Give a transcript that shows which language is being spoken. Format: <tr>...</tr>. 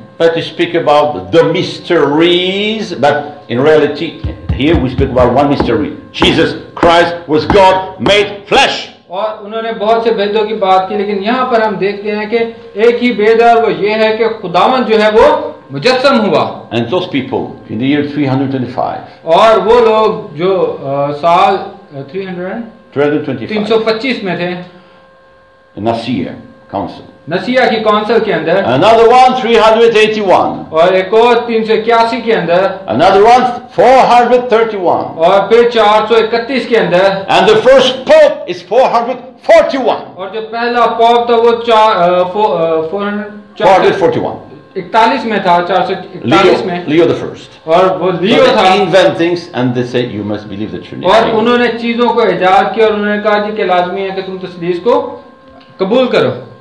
<en>But we speak about the mysteries, but in reality here we speak about one mystery. Jesus Christ was God made flesh.</en> <hi>और उन्होंने बहुत से भेदों की बात की, लेकिन यहाँ पर हम देखते हैं कि एक ही भेद है, वो ये है कि खुदावंद जो है वो मुजस्सम हुआ।</hi> <en>And those people in the year 325.</en> <hi>और वो लोग जो साल 325 में थे,</hi> <en>Nicaea Council.</en> <hi>Nicaea की काउंसिल के अंदर।</hi> <en>Another one 381.</en> <hi>और एक और 381 के अंदर।</hi> <en>Another one 431.</en> <hi>और फिर 431 के अंदर।</hi> <en>And the first pope is 441.</en> <hi>और जो पहला पॉप था वो 441. 41 में था, 441 में।</hi> <en>Leo the first.</en> <hi>और वो लियो था।</hi> <en>They invent things and they say you must believe the Trinity.</en> <hi>और उन्होंने चीजों को इजाद किया और उन्होंने कहा कि लाजमी है कि तुम तस्दीक को कबूल करो।</hi>